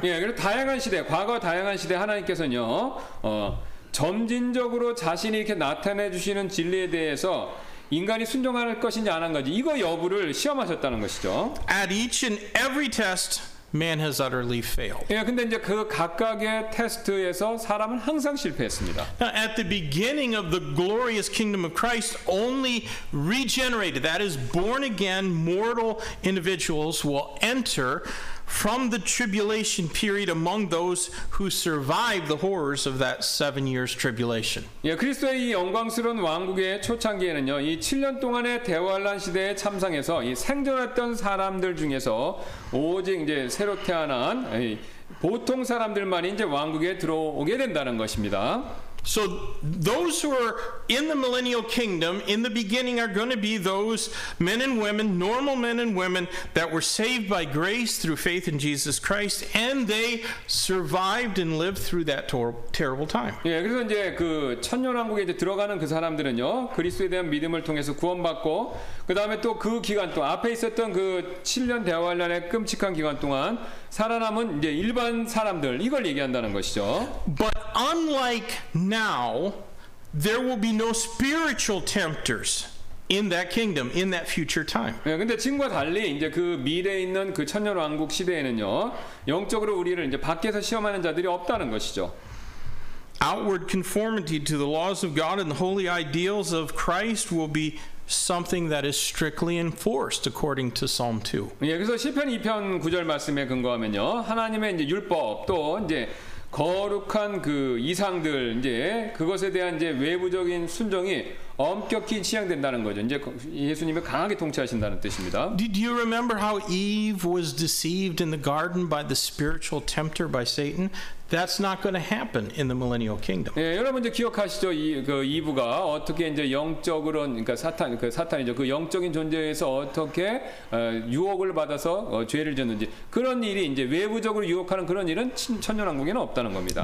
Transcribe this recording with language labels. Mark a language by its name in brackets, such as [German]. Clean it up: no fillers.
[Korean] 예, 그리고 다양한 시대, 과거 다양한 시대 하나님께서는요, 점진적으로 자신이 이렇게 나타내 주시는 진리에 대해서 인간이 순종할 것인지 안 한 건지 이거 여부를 시험하셨다는 것이죠. [English] At each and every test, man has utterly failed. [Korean] 예, 근데 이제 그 각각의 테스트에서 사람은 항상 실패했습니다. [English] Now, at the beginning of the glorious kingdom of Christ, only regenerated, that is, born again, mortal individuals will enter from the tribulation period among those who survived the horrors of that 7 years tribulation. [Korean] 예, 그리스도의 이 영광스러운 왕국의 초창기에는요, 이 7년 동안의 대환란 시대에 참상해서 이 생존했던 사람들 중에서 오직 이제 새로 태어난 보통 사람들만 이제 왕국에 들어오게 된다는 것입니다. [English] So those who are in the millennial kingdom in the beginning are going to be those men and women, normal men and women that were saved by grace through faith in Jesus Christ, and they survived and lived through that terrible time. [Korean] 예, 그래서 이제 그 천년 왕국에 이제 들어가는 그 사람들은요, 그리스도에 대한 믿음을 통해서 구원받고, 그 다음에 또 그 기간 또 앞에 있었던 그 7년 대환란의 끔찍한 기간 동안 살아남은 이제 일반 사람들 이걸 얘기한다는 것이죠. [English] But unlike now, there will be no spiritual tempters in that kingdom in that future time. [Korean] 예, 근데 지금과 달리 이제 그 미래에 있는 그 천년 왕국 시대에는요, 영적으로 우리를 이제 밖에서 시험하는 자들이 없다는 것이죠. [English] Outward conformity to the laws of God and the holy ideals of Christ will be something that is strictly enforced according to Psalm 2. [Korean] 예, 그래서 시편 2편 9절 말씀에 근거하면요, 하나님의 이제 율법 또 이제 거룩한 그 이상들 이제 그것에 대한 이제 외부적인 순종이 엄격히 지향된다는 거죠. 이제 예수님이 강하게 통치하신다는 뜻입니다. [English] Did you remember how Eve was deceived in the garden by the spiritual tempter by Satan? That's not going to happen in the millennial kingdom. [Korean] 예, 여러분 이제 기억하시죠? 이 그 이브가 어떻게 이제 영적으로 그러니까 사탄 그 사탄이죠. 그 영적인 존재에서 어떻게 유혹을 받아서 죄를 지었는지 그런 일이 이제 외부적으로 유혹하는 그런 일은 천년 왕국에는 없다는 겁니다.